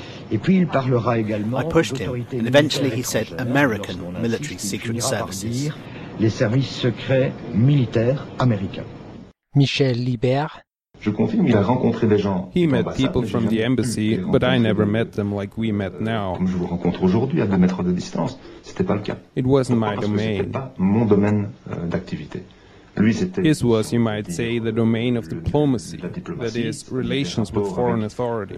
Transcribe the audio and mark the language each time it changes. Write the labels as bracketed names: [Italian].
[French] Et puis il parlera également [English] I pushed him, and eventually he said American military secret services. [French] Les services secrets militaires américains. Michel Libert. Je confirme, il a rencontré des gens. [English] He met people from the embassy, but I never met them like we met now. [French] Comme je vous rencontre aujourd'hui à 2 mètres de distance, c'était pas le cas. [English] It wasn't my domain. [French] C'était pas mon domaine d'activité. Lui, c'était. [English] His was, you might say, the domain of diplomacy, that is, relations with foreign authorities.